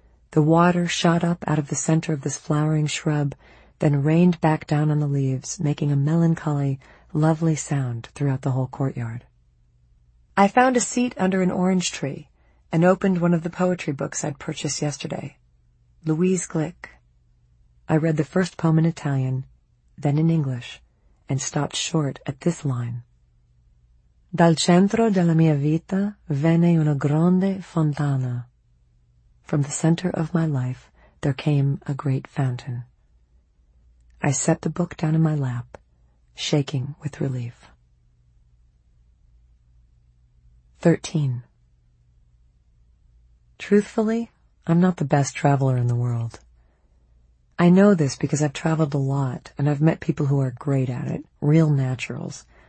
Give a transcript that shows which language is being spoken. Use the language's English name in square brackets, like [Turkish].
[English] The water shot up out of the center of this flowering shrub, then rained back down on the leaves, making a melancholy, lovely sound throughout the whole courtyard. I found a seat under an orange tree and opened one of the poetry books I'd purchased yesterday, Louise Glick. I read the first poem in Italian, then in English, and stopped short at this line. [Italian] Dal centro della mia vita venne una grande fontana. [English] From the center of my life, there came a great fountain. I set the book down in my lap, shaking with relief. 13. Truthfully, I'm not the best traveler in the world. I know this because I've traveled a lot, and I've met people who are great at it, real naturals.